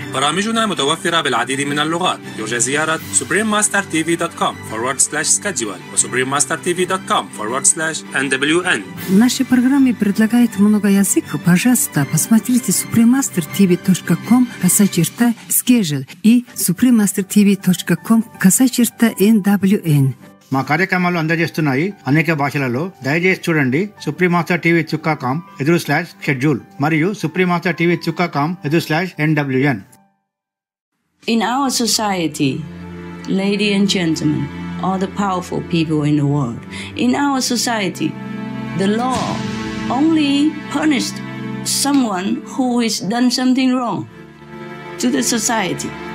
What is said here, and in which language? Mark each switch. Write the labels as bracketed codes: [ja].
[ar] برامجنا متوفرة بالعديد من اللغات يرجى زيارة suprememastertv.com/schedule و suprememastertv.com/NWN [ru] Наши программы предлагают много языков. Пожалуйста, посмотрите suprememastertv.com/schedule и suprememastertv.com/NWN [te] మా కార్యక్రమాలు అందజేస్తున్నాయి అనేక భాషలలో. దయచేసి చూడండి suprememastertv.com/schedule మరియు suprememastertv.com/NWN [en] In our society, ladies and gentlemen, all the powerful people in the world, in our society, the law only punished someone who has done something wrong to the society.